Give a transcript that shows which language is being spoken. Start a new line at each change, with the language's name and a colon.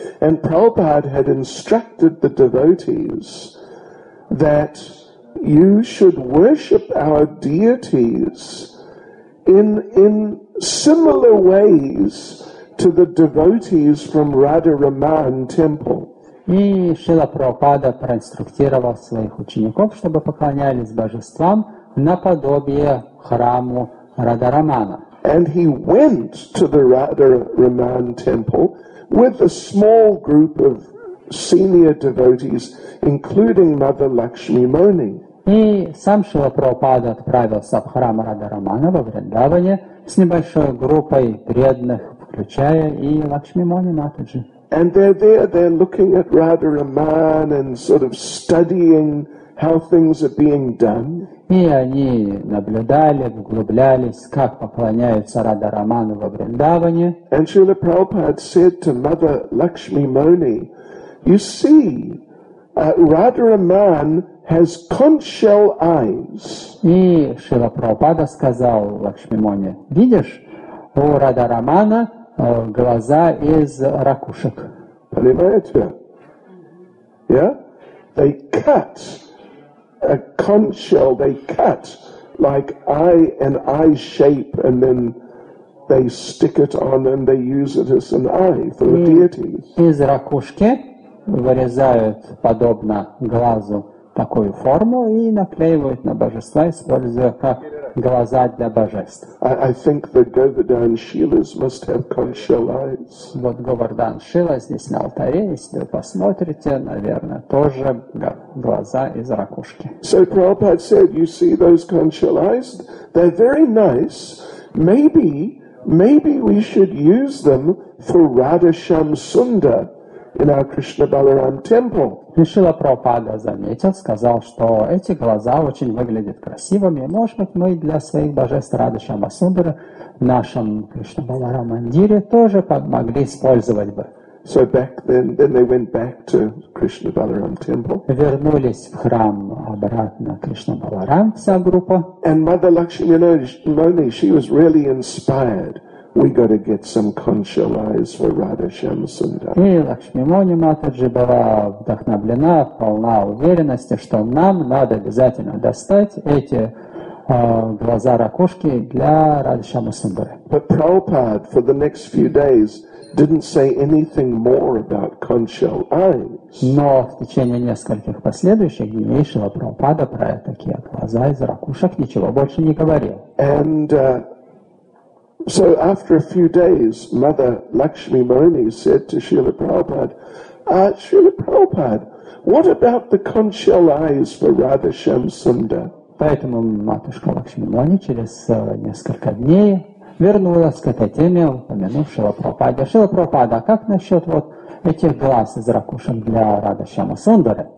English: And Prabhupada had instructed the devotees that you should worship our deities in similar ways to the devotees from Radharaman Temple.
Russian: И Шрила Прабхупада проинструктировал своих учеников, чтобы поклонялись божествам наподобие храму Радарамана.
English: And he went to the Radharaman Temple with a small group of senior devotees, including Mother Lakshmi Moni.
Russian: И сам Шрила Прабхупада отправился в храм Радарамана во Вриндаване с небольшой группой преданных, включая и Лакшми Мони Матаджи.
English: And they're there, they're looking at Radharaman and sort of studying how things are being done.
Russian: И они наблюдали, углублялись, как поклоняются Радхараману во Вриндаване.
English: And Srila Prabhupada said to Mother Lakshmi Moni, "You see, Radharaman has conch shell eyes."
Russian: И Шрила Прабхупада сказал Лакшми Моне, "Видишь, у Радхарамана глаза из ракушек." Понимаете? Yeah?
English: They cut a conch shell, they cut like an eye shape, and then they stick it on and they use it as an eye for the deities.
Russian: Из ракушки вырезают подобно глазу такую форму и наклеивают на божества, используя как глаза для божеств.
English: I think the Govardhan Shilas must have conch shell eyes.
Russian: Вот Govardhan Shila здесь на алтаре, если вы посмотрите, наверное, тоже глаза из ракушки.
English: So Prabhupada said, you see those conch shell eyes? They're very nice. Maybe we should use them for Radhasham Sunda in our Krishna Balaram temple.
Russian: И Шрила Прабхупада заметил, сказал, что эти глаза очень выглядят красивыми, может быть, мы для своих божеств Радхарама Сундара в нашем Кришна Баларама мандире тоже могли использовать бы.
English: So back then they went back to Krishna Balaram temple.
Russian: Вернулись в храм обратно Кришна Баларам вся группа.
English: And Mother Lakshmi Moni, she was really inspired. We got to get some conch shell eyes for Radhasham Sunda.
Russian: И Лакшми Мони Матаджи была вдохновлена, полна уверенности, что нам надо обязательно достать эти глаза ракушки для Радхашама Сундары.
English: But Prabhupada for the next few days didn't say anything more about conch shell eyes.
Russian: Но в течение нескольких последующих дней Шрила Прабхупада про такие глаза из ракушек ничего больше не говорил.
English: So after a few days, Mother Lakshmi Moni said to Srila Prabhupada, Srila Prabhupada, what about the conch shell eyes for Radhasham Sunda?
Russian: Поэтому матушка Лакшми Мони через несколько дней вернулась к этой теме, упомянув Шрила Прабхупада. Шрила Прабхупада, а как насчет вот этих глаз из ракушек для Радхашама Сундары?